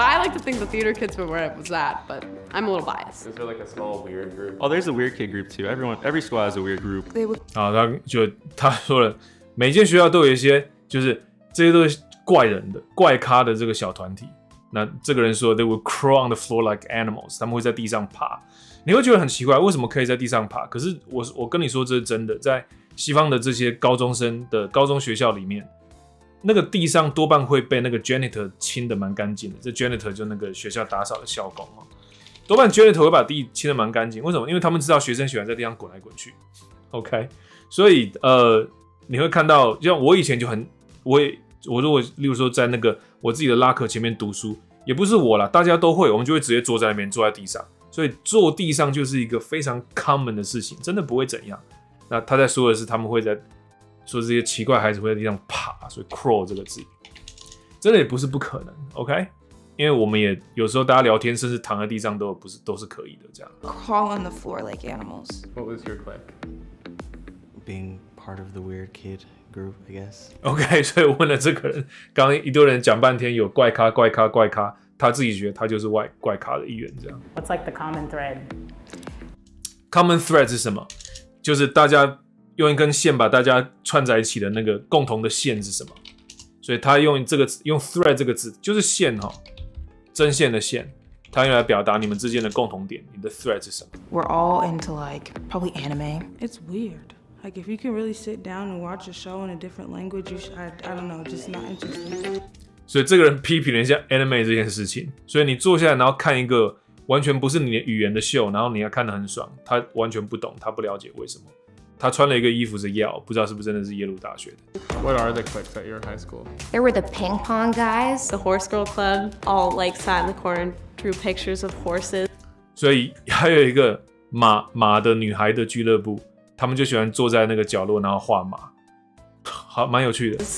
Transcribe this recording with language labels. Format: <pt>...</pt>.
<en>I like to think the theater kids were where it was at, but I'm a little biased. Is there like a small weird group? Oh, there's a weird kid group too. Every school has a weird group. They would.</en> <zh>啊，他说了，每间学校都有一些，就是这些都是怪人的、怪咖的这个小团体。那这个人说</zh> <en>，they would crawl on the floor like animals.</en> <zh>他们会在地上爬。你会觉得很奇怪，为什么可以在地上爬？可是我跟你说，这是真的。在西方的这些高中生的高中学校里面，那个地上多半会被那个 janitor 清的蛮干净的。这 janitor 就那个学校打扫的校工啊。多半 janitor 会把地清的蛮干净，为什么？因为他们知道学生喜欢在地上滚来滚去 ，OK。所以你会看到，像我以前就很，我如果例如说在那个我自己的拉课前面读书，也不是我啦，大家都会，我们就会直接坐在那边，坐在地上。所以坐地上就是一个非常 common 的事情，真的不会怎样。那他在说的是他们会在说这些奇怪孩子会在地上爬，所以 crawl 这个字，真的也不是不可能 ，OK。因为我们也有时候大家聊天，甚至躺在地上都是可以的这样。</zh> <en>Crawl on the floor like animals. What was your clique? Being part of the weird kid group, I guess.</en> <zh>OK， 所以我问了这个人，刚一堆人讲半天，有怪咖、怪咖、怪咖，他自己觉得他就是怪咖的一员这样。</zh> <en>What's like the common thread?</en> <zh>Common thread 是什么？就是大家用一根线把大家串在一起的那个共同的线是什么？所以他用这个用 thread 这个字就是线哈。针线的线，它用来表达你们之间的共同点。你的 thread 是什么</zh> <en>？We're all into like probably anime. It's weird. Like if you can really sit down and watch a show in a different language, you should, I don't know, just not interested.</en> <zh>所以这个人批评了一下 anime 这件事情。所以你坐下来，然后看一个完全不是你的语言的秀，然后你要看得很爽。他完全不懂，他不了解为什么。他穿了一个衣服是 Yale， 不知道是不是真的是耶鲁大学的。</zh> <en>What are the cliques at your high school? There were the ping pong guys, the horse girl club, all like sat in the corner and drew pictures of horses.</en> <zh>所以还有一个马的女孩的俱乐部，他们就喜欢坐在那个角落，然后画马，好蛮有趣的。</zh>